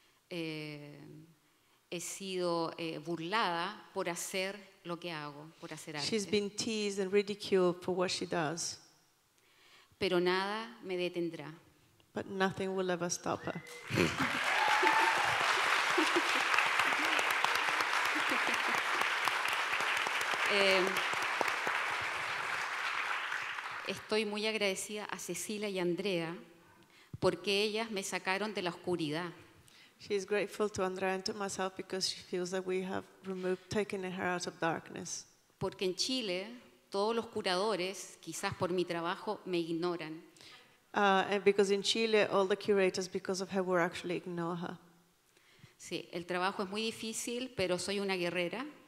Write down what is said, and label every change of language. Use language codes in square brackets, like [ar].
[es] He sido burlada por hacer lo que hago, por hacer arte. [en] She's been teased and ridiculed for what she does. [es] Pero nada me detendrá. [en] But nothing will ever stop her. [es] Estoy muy agradecida a Cecilia y Andrea porque ellas me sacaron de la oscuridad. [en] She is grateful to Andrea and to myself because she feels that we have removed, taken her out of darkness. [es] Porque en Chile todos los curadores, quizás por mi trabajo, me ignoran. [en] And because in Chile, all the curators, because of her work, actually ignore her. [es] Sí, el trabajo es muy difícil, pero soy una guerrera.